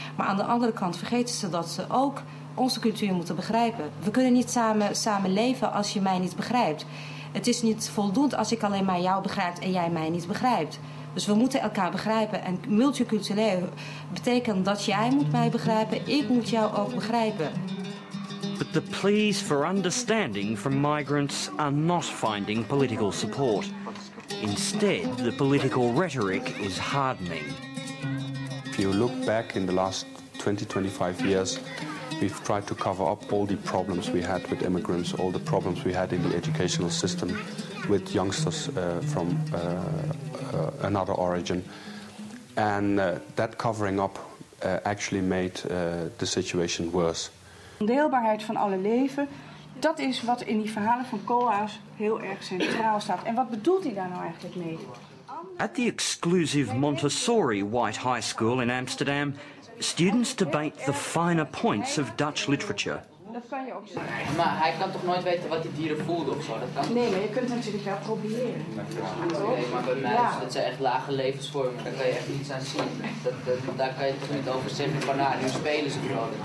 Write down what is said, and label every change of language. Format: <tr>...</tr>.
<nl>Maar aan de andere kant vergeten ze dat ze ook onze cultuur moeten begrijpen. We kunnen niet samen leven als je mij niet begrijpt. Het is niet voldoende als ik alleen maar jou begrijp en jij mij niet begrijpt. Dus we moeten elkaar begrijpen. En multicultureel betekent dat jij moet mij begrijpen, ik moet jou ook begrijpen.</nl> <en>But the pleas for understanding from migrants are not finding political support. Instead, the political rhetoric is hardening. If you look back in the last 20-25 years, we've tried to cover up all the problems we had with immigrants, all the problems we had in the educational system with youngsters from another origin. And that covering up actually made the situation worse.</en> <nl>Deelbaarheid van alle leven, dat is wat in die verhalen van Koolhaas heel erg centraal staat. En wat bedoelt hij daar nou eigenlijk mee?</nl> <en>At the exclusive Montessori White High School in Amsterdam, students debate the finer points of Dutch literature.</en> <nl>Maar hij kan toch nooit weten wat die dieren voelden of zo? Dat kan... Nee, maar je kunt natuurlijk wel proberen. Nee, maar bij mij dat zijn echt lage levensvormen. Daar kan je echt niets aan zien. Daar kan je toch niet over zeggen van nu spelen ze gewoon.</nl>